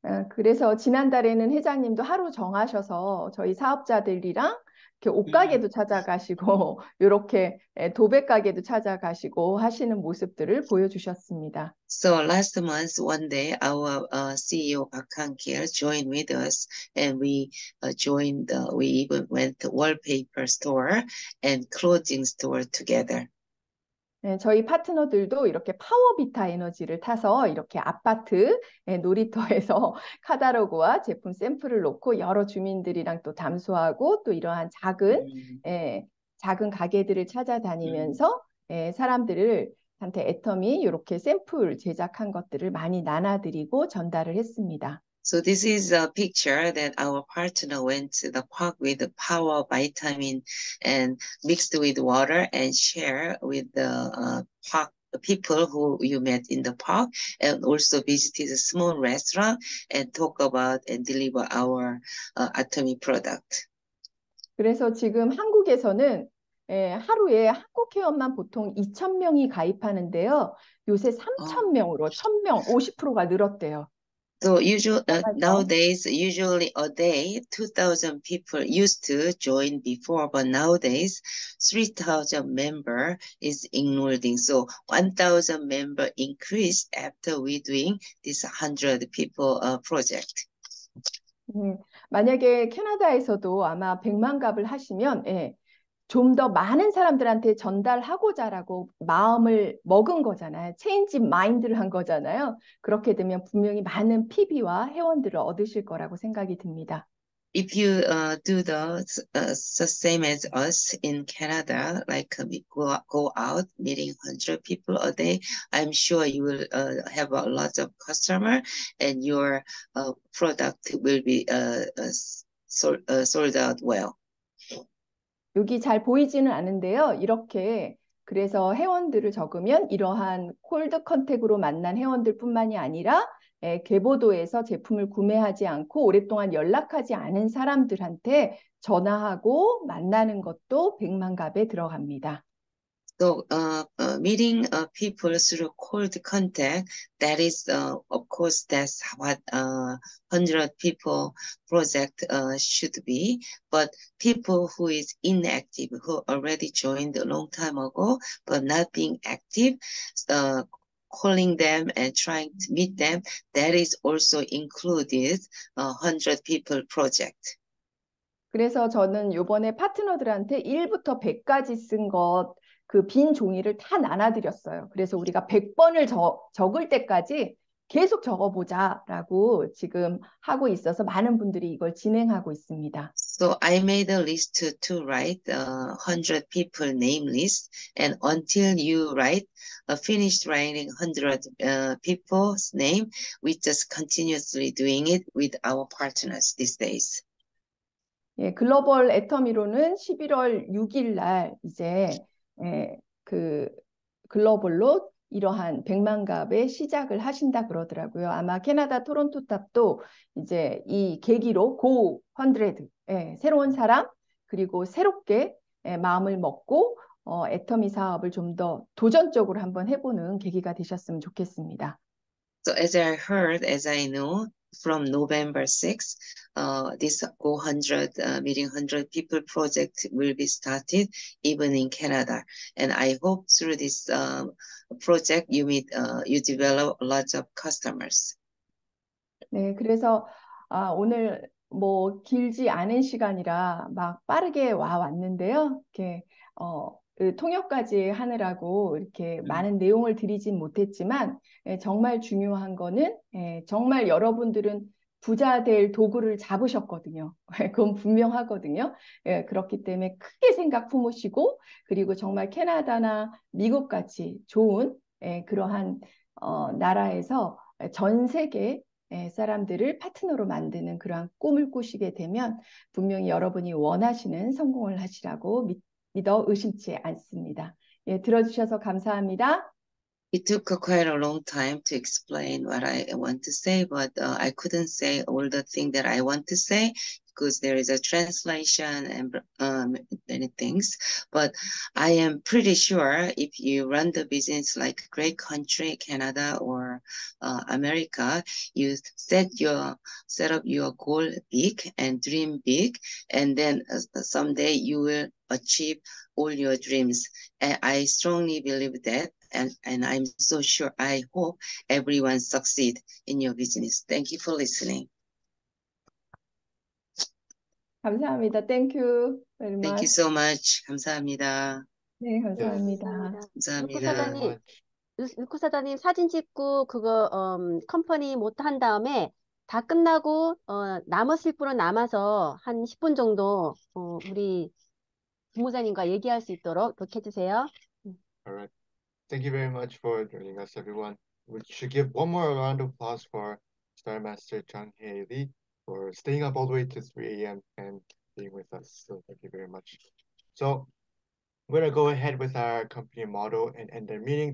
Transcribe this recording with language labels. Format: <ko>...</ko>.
<ko>그래서 지난달에는 회장님도 하루 정하셔서 저희 사업자들이랑 이렇게 옷가게도 찾아가시고, 이렇게 도배가게도 찾아가시고 하시는 모습들을 보여주셨습니다.</ko> <en>So last month, one day, our CEO Park Hang-kil joined with us, and we even went to wallpaper store and clothing store together.</en> <ko>네, 저희 파트너들도 이렇게 파워비타 에너지를 타서 이렇게 아파트 놀이터에서 카다로그와 제품 샘플을 놓고 여러 주민들이랑 또 담소하고 또 이러한 작은 가게들을 찾아다니면서 사람들을 한테 애터미 이렇게 샘플 제작한 것들을 많이 나눠드리고 전달을 했습니다.</ko> <en>So this is a picture that our partner went to the park with the power vitamin and mixed with water and share with the people who you met in the park and also visited a small restaurant and talk about and deliver our atomic product.</en> <ko>그래서 지금 한국에서는 하루에 한국 회원만 보통 2천 명이 가입하는데요. 요새 3천 명으로 1,000명, 50%가 늘었대요.</ko> <en>So usual Oh my God. nowadays usually a day 2,000 people used to join before, but nowadays 3,000 member is enrolling. So 1,000 member increase after we doing this 100 people project.</en> <ko>만약에 캐나다에서도 아마 백만갑을 하시면 좀더 많은 사람들한테 전달하고자 라고 마음을 먹은 거잖아요. 체인지 마인드를 한 거잖아요. 그렇게 되면 분명히 많은 PB와 회원들을 얻으실 거라고 생각이 듭니다.</ko> <en>If you do the same as us in Canada, like go out meeting 100 people a day, I'm sure you will have a lot of customer and your product will be sold out well.</en> <ko>여기 잘 보이지는 않은데요. 이렇게 그래서 회원들을 적으면 이러한 콜드 컨택으로 만난 회원들뿐만이 아니라 계보도에서 제품을 구매하지 않고 오랫동안 연락하지 않은 사람들한테 전화하고 만나는 것도 백만갑에 들어갑니다.</ko> <en>So, meeting people through cold contact, that is, of course, that's what 100 people project should be. But people who is inactive, who already joined a long time ago, but not being active, calling them and trying to meet them, that is also included a 100 people project.</en> <ko>그래서 저는 요번에 파트너들한테 1부터 100까지 쓴 것, 그빈 종이를 다 나눠드렸어요. 그래서 우리가 100번을 적을 때까지 계속 적어보자라고 지금 하고 있어서 많은 분들이 이걸 진행하고 있습니다.</ko> <en>So I made a list to write a 100 people name list, and until you write a finished writing 100 people's name, we just continuously doing it with our partners these days.</en> <ko>예, 글로벌 애터미로는 11월 6일 날 이제 그 글로벌로 이러한 100만갑의 시작을 하신다 그러더라고요. 아마 캐나다 토론토 탑도 이제 이 계기로 고 헌드레드, 새로운 사람 그리고 새롭게 마음을 먹고 애터미 사업을 좀더 도전적으로 한번 해보는 계기가 되셨으면 좋겠습니다.</ko> <en>So as I heard, as I know, from November 6th, this Go 100, Meeting 100 People project will be started even in Canada. And I hope through this project, you develop lots of customers.</en> <ko>네, 그래서 오늘 뭐 길지 않은 시간이라 막 빠르게 와 왔는데요. 이렇게 통역까지 하느라고 이렇게 많은 내용을 드리진 못했지만 정말 중요한 거는 정말 여러분들은 부자 될 도구를 잡으셨거든요. 그건 분명하거든요. 그렇기 때문에 크게 생각 품으시고 그리고 정말 캐나다나 미국 같이 좋은 그러한 나라에서 전 세계 사람들을 파트너로 만드는 그러한 꿈을 꾸시게 되면 분명히 여러분이 원하시는 성공을 하시라고 믿어 의심치 않습니다. 예, 들어주셔서 감사합니다.</ko> <en>It took quite a long time to explain what I want to say, but I couldn't say all the things that I want to say because there is a translation and many things. But I am pretty sure if you run the business like great country, Canada or America, you set up your goal big and dream big, and then someday you will achieve all your dreams. And I strongly believe that. And I'm so sure, I hope everyone succeed in your business. Thank you for listening.</en> <ko>감사합니다.</ko> <en>Thank you very Thank you so much.</en> <ko>감사합니다. 네, 감사합니다. 감사합니다. 루코 감사합니다. 사장님 사진 찍고 그거 컴퍼니 모두 한 다음에 다 끝나고 남았을 분은 남아서 한 10분 정도 우리 부모자님과 얘기할 수 있도록 그렇게 해주세요.</ko> <en>Thank you very much for joining us, everyone. We should give one more round of applause for Star Master Chang Hei Li for staying up all the way to 3 a.m. and being with us. So thank you very much. So we're gonna go ahead with our company motto and end the meeting.</en>